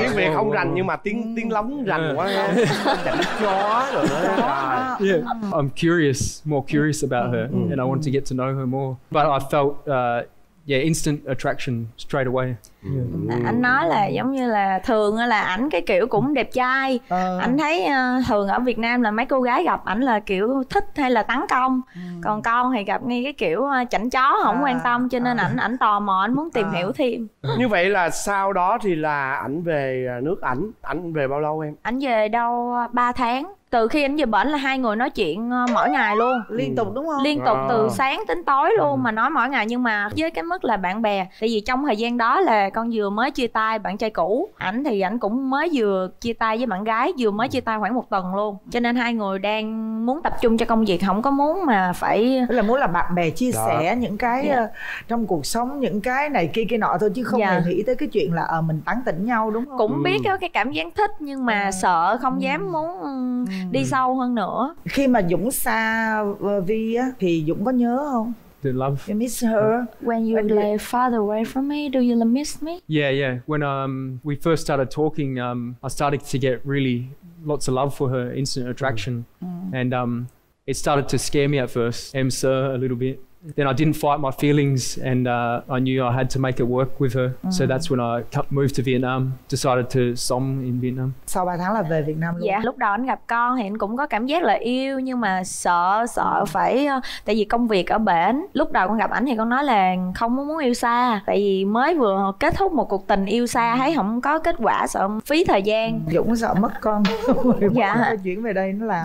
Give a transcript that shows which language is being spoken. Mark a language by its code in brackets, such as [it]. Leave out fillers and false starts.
[vi] Tiếng Việt không rành nhưng mà tiếng lóng rành quá chân chó rồi đó. Yeah. [en] I'm curious, more curious about her and I want to get to know her more, but I felt yeah, instant attraction straight away. [vi] Anh nói là giống như là thường là ảnh cái kiểu cũng đẹp trai. Anh thấy thường ở Việt Nam là mấy cô gái gặp ảnh là kiểu thích hay là tấn công. Còn con thì gặp ngay cái kiểu chảnh chó không quan tâm, cho nên ảnh tò mò, ảnh muốn tìm hiểu thêm. Như vậy là sau đó thì là ảnh về nước ảnh. Ảnh về bao lâu em? Ảnh về đâu 3 tháng. Từ khi ảnh về bển là hai người nói chuyện mỗi ngày luôn. Liên tục đúng không? Liên tục từ sáng tới tối luôn mà nói mỗi ngày. Nhưng mà với cái mức là bạn bè, tại vì trong thời gian đó là con vừa mới chia tay bạn trai cũ, ảnh thì ảnh cũng mới vừa chia tay với bạn gái, vừa mới chia tay khoảng một tuần luôn. Cho nên hai người đang muốn tập trung cho công việc, không có muốn mà phải... là muốn là bạn bè chia sẻ những cái trong cuộc sống, những cái này kia kia nọ thôi, chứ không hề nghĩ tới cái chuyện là mình tán tỉnh nhau đúng không? Cũng biết có cái cảm giác thích nhưng mà sợ không dám muốn đi sâu hơn nữa. Khi mà Dũng xa Vi á thì Dũng có nhớ không? [en] The love. You miss her. When you lay farther away from me, do you miss me? Yeah, yeah. When we first started talking, I started to get really lots of love for her, instant attraction. And it started to scare me at first, [vi] em sợ [en] a little bit. Then I didn't fight my feelings and I knew I had to make it work with her. So that's when I moved to Vietnam, decided to [vi] sống [en] in Vietnam. [vi] Sau 3 tháng là về Việt Nam luôn. Dạ, lúc đó anh gặp con thì anh cũng có cảm giác là yêu nhưng mà sợ phải tại vì công việc ở bển. Lúc đầu con gặp anh thì con nói là không muốn yêu xa, tại vì mới vừa kết thúc một cuộc tình yêu xa thấy không có kết quả, sợ phí thời gian. Dũng sợ mất con. Dạ. Chuyển về đây nó làm.